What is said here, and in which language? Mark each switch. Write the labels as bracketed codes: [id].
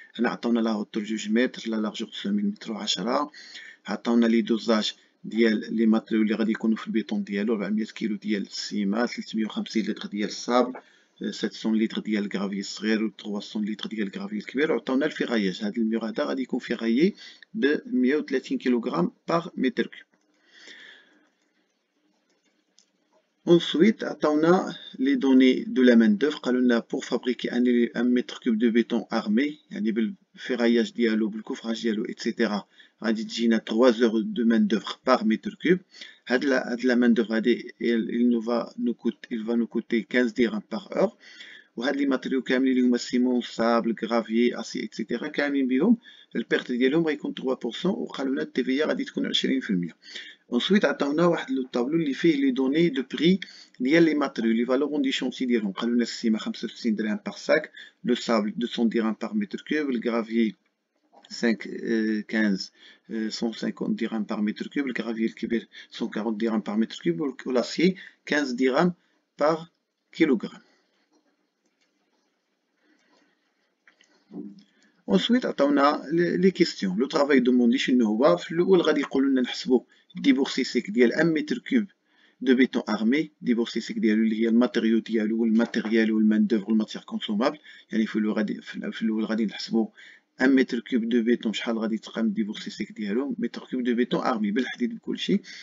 [ar] هنا عطاونا [fr] لا هوتور [ar] 2 متر، [fr] لا لارجور [ar] 2 متر و10، عطاونا لي دوزاج ديال لي ماتيريو اللي غادي يكونوا في البيتون ديالو، 400 كيلو ديال السيما، 350 لتر ديال الصابل، 700 لتر ديال الكرافي الصغير، و 300 لتر ديال الكرافي الكبير. عطاونا الفيغاياج، هاد الميور هذا غادي يكون فيغايي ب 130 كيلوغرام بار متر كيو. [fr] Ensuite, on a les données de la main d'œuvre. Pour fabriquer un mètre cube de béton armé, [ar] yani [fr] le ferraillage [ar] dialo, [fr] le coffrage dialo, etc. On dit qu'il y a 3 heures de main d'œuvre par mètre cube. La main d'œuvre, il va nous coûter 15 dirhams par heure. Ou les matériaux comme le ciment, sable, gravier, acier, etc. La perte [ar] dialo [fr] va être 3% ou la TVA va être 20%. Ensuite, on a le tableau qui fait les données de prix liées les matériaux, les valeurs du chantier dirham. On a le ciment 65 dirhams par sac, le sable 200 dirhams par mètre cube, le gravier 150 dirhams par mètre cube, le gravier 140 dirhams par mètre cube, ou l'acier 15 dirhams par kilogramme. Ensuite, on a les questions. Le travail demandé chez nous, on va dire qu'on a le sable. [ar] ديبورسي سيك ديال 1 [fr] متر كوب دو بيتون ارمي، [ar] ديبورسي سيك ديالو اللي هي الماتيريو ديالو والماتيريال والمان دوفر والماتيير كونسومابل. يعني في الاول غادي نحسبو 1 متر كوب دو بيتون شحال غادي تقام ديبورسي سيك ديالو، متر كوب دو بيتون ارمي بالحديد بكلشي.